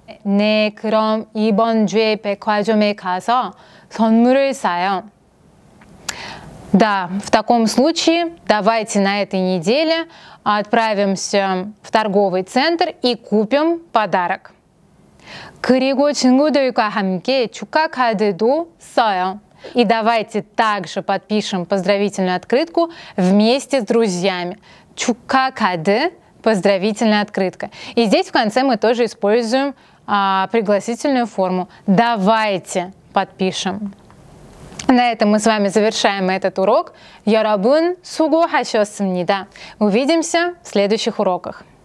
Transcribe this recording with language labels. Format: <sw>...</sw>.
<ko>네, 그럼 이번 주에 백화점에 가서 선물을 사요.</ko> <ru>Да, в таком случае давайте на этой неделе отправимся в торговый центр и купим подарок.</ru> <ko>그리고 친구들과 함께 축하 카드도 써요.</ko> <ru>И давайте также подпишем поздравительную открытку вместе с друзьями.</ru> <ko>축하 카드.</ko> <ru>Поздравительная открытка. И здесь в конце мы тоже используем пригласительную форму. Давайте подпишем. На этом мы с вами завершаем этот урок.</ru> <ko>여러분, 수고하셨습니다.</ko> <ru>Увидимся в следующих уроках.</ru>